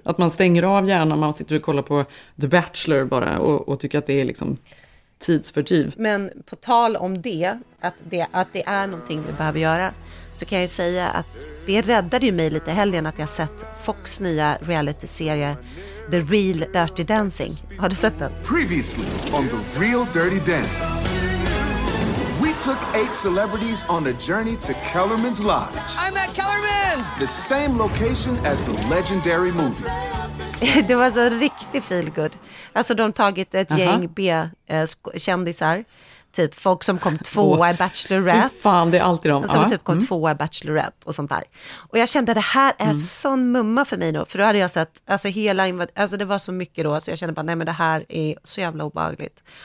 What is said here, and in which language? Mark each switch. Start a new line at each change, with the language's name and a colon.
Swedish: Att man stänger av hjärnan, man sitter och kollar på The Bachelor bara och tycker att det är liksom tidsfördriv. Men på tal om det, att det är någonting vi behöver göra, så kan jag ju säga att det räddade ju mig lite helgen att jag sett Fox nya reality-serie The Real Dirty Dancing. Har du sett den?
English: Previously on The Real Dirty Dancing, we took 8 celebrities on a journey to Kellerman's Lodge. I'm at Kellerman! The same location as the legendary movie.
Swedish: Det var så riktigt feel good. Alltså de tagit ett gäng B-kändisar. Typ folk som kom tvåa i Bachelorette. Fan, det är alltid de. Som typ kom tvåa i Bachelorette och sånt där. Och jag kände att det här är sån mumma för mig då. För då hade jag sett, alltså hela, alltså det var så mycket då. Så jag kände bara, nej men det här är så jävla obehagligt.